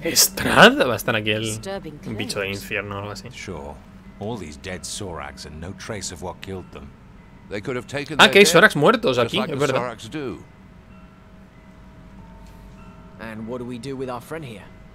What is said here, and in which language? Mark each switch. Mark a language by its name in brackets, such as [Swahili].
[Spanish] Estrad, va a estar aquí el bicho de infierno o algo así. [English] Sure. All these dead Sorax and no trace of what killed them. They could have taken. [Spanish] Ah, que hay Sorax muertos aquí, es verdad. [English] And what do we do with our friend here?